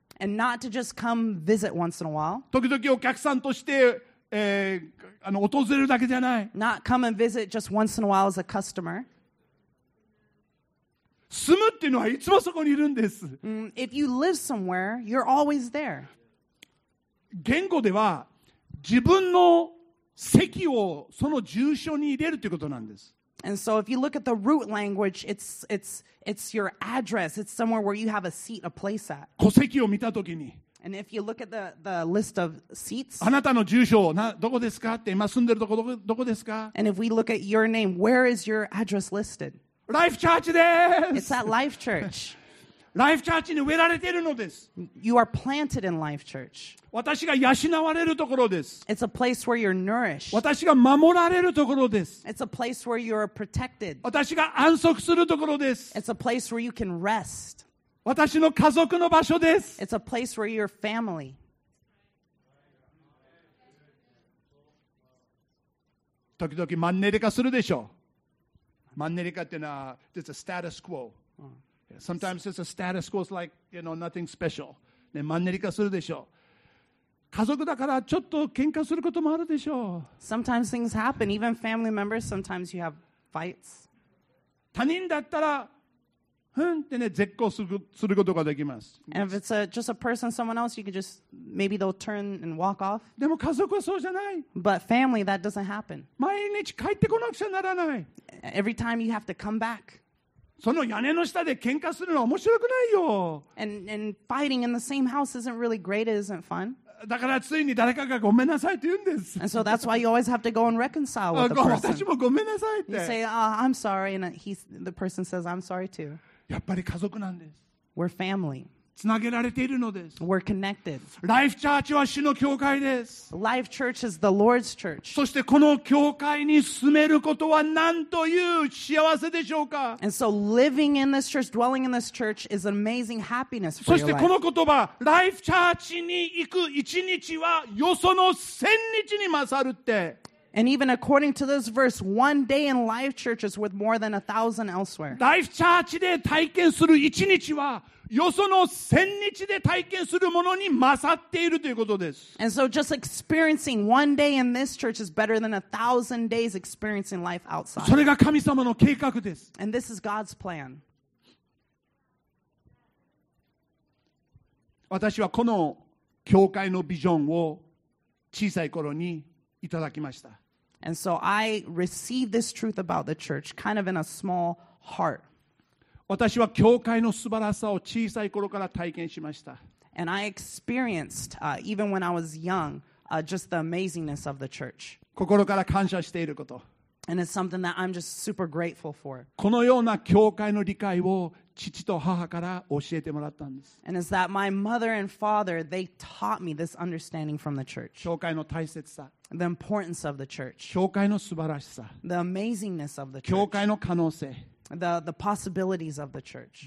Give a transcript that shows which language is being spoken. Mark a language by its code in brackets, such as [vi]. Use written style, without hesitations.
[en] And not to just come visit once in a while. [ja] 時々お客さんとして、訪れるだけじゃない。 [en] Not come and visit just once in a while as a customer. [ja] 住むっていうのはいつもそこにいるんです。 [en] If you live somewhere, you're always there. [ja] 言語では自分の籍をその住所に入れるということなんです。 [en] And so if you look at the root language, it's your address. It's somewhere where you have a seat, a place at. [ja] 戸籍を見たときに。 [en] And if you look at the list of seats, [ja] あなたの住所などこですかって今住んでるとこどこですか [en] And if we look at your name, where is your address listed? [ja] Life Church です。 [en] It's at Life Church. [ja] Life Church に植えられているのです。 [en] You are planted in Life Church. [ja] 私が養われるところです。 [en] It's a place where you're nourished. [ja] 私が守られるところです。 [en] It's a place where you're protected. [ja] 私が安息するところです。 [en] It's a place where you can rest. [ja] 私の家族の場所です。 [en] It's a place where your family. [ja] 時々マンネリ化するでしょう。マンネリ化っていうのは、 [en] it's a status quo. Sometimes it's a status quo, it's like, you know, nothing special. [ja] ね、マンネリ化するでしょう。家族だからちょっと喧嘩することもあるでしょう。 [en] Sometimes things happen, even family members, sometimes you have fights. [ja] 他人だったら、ふんってね、絶交することができます。 [en] And if it's just a person, someone else, you could just, maybe they'll turn and walk off. [ja] でも家族はそうじゃない。 [en] But family, that doesn't happen. [ja] 毎日帰ってこなくちゃならない。 [en] Every time you have to come back. [ja] その屋根の下で喧嘩するのは面白くないよ。 [en] And fighting in the same house isn't really great, it isn't fun. [ja] だからついに誰かがごめんなさいって言うんです。 [en] And so that's why you always have to go and reconcile with the person. [ja] 私もごめんなさいって。 [en] You say, oh, I'm sorry, and the person says, I'm sorry too. [ja] やっぱり家族なんです。 [en] We're family. [ja] つなげられているのです。 [en] We're connected. [ja] Life Church は主の教会です。 [en] Life Church is the Lord's church. [ja] そしてこの教会に住めることはなんという幸せでしょうか。 [en] And so living in this church, dwelling in this church is an amazing happiness for [ja] you. そしてこの言葉、Life Church に行く一日はよその千日に勝るって。 [en] And even according to this verse, one day in Life Church is worth more than 1,000 elsewhere. [ja] Life Church で体験する一日は、よその千日で体験するものに勝っているということです。 [en] And so just experiencing one day in this church is better than 1,000 days experiencing life outside. [ja] それが神様の計画です。 [en] And this is God's plan. [ja] 私はこの教会のビジョンを小さい頃にいただきました。 [en] And so I received this truth about the church kind of in a small heart. [ja] 私は教会の素晴らしさを小さい頃から体験しました。 [en] And I experienced, even when I was young, just the amazingness of the church. [ja] 心から感謝していること。 [en] And it's something that I'm just super grateful for. [ja] このような教会の理解を父と母から教えてもらったんです。 [en] And it's that my mother and father, they taught me this understanding from the church. [ja] 教会の大切さ。 [en] The importance of the church. [ja] 教会の素晴らしさ。 [en] The amazingness of the church. [ja] 教会の可能性。 [en] The possibilities of the church.